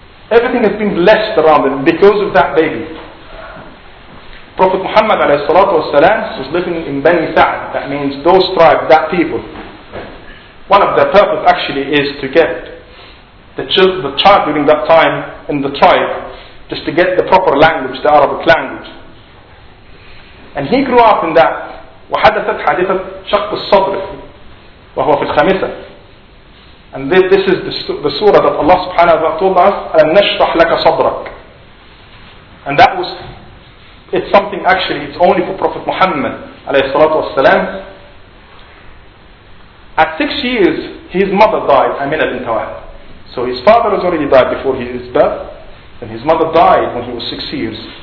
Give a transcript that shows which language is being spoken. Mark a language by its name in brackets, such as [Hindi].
[English] Everything has been blessed around him because of that baby. Prophet Muhammad alayhi salatu wasalam was living in Bani Sa'd, that means those tribes, that people. One of their purpose actually is to get the child during that time in the tribe, just to get the proper language, the Arabic language. And he grew up in that. [Arabic] وحدثت حادثة شق الصدر وهو في الخامسة. [English] And this is the surah that Allah subhanahu wa ta'ala told us, [Arabic] أَلَمْ نَشْرَحْ لَكَ صَدْرَكَ. [English] And that was, it's something actually, it's only for Prophet Muhammad alayhi salatu wasalam. At 6 years, his mother died, Amina bint Wahb. So his father has already died before his birth, and his mother died when he was 6 years.